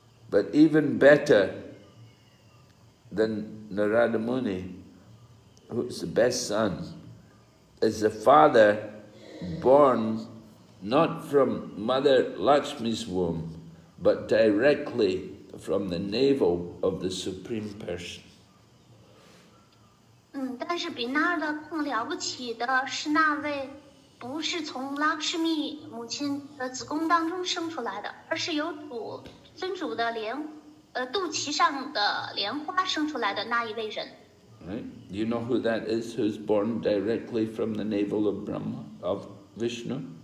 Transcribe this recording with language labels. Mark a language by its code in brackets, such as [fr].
[en] But even better than Narada Muni, who is the best son, is a father born not from Mother Lakshmi's womb, but directly from the navel of the Supreme Person. [zh] 但是比那儿的更了不起的是那位不是从Lakshmi母亲的子宫当中生出来的，而是由尊主的肚脐上的莲花生出来的那一位人。 [en] Right. Do you know who that is, who's born directly from the navel of Brahma, of Vishnu?